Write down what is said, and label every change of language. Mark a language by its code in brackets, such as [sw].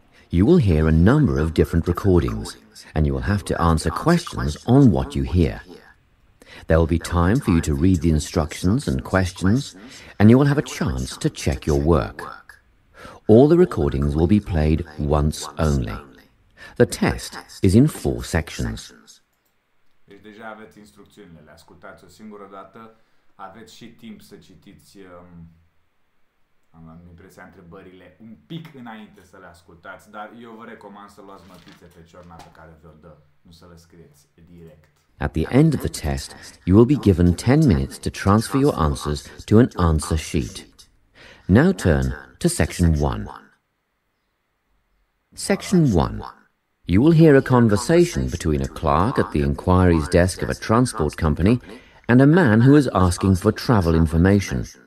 [en] You will hear a number of different recordings, and you will have to answer questions on what you hear. There will be time for you to read the instructions and questions, and you will have a chance to check your work. All the recordings will be played once only. The test is in four sections. [ro] Deci deja aveți instrucțiunile, le ascultați o singură dată, aveți și timp să citiți, am impresia, întrebările un pic înainte să le ascultați, dar eu vă recomand să luați mătițe pe ciorna pe care vi-o dă, nu să le scrieți direct. [en] At the end of the test, you will be given 10 minutes to transfer your answers to an answer sheet. Now turn to section 1. Section 1. You will hear a conversation between a clerk at the inquiries desk of a transport company and a man who is asking for travel information.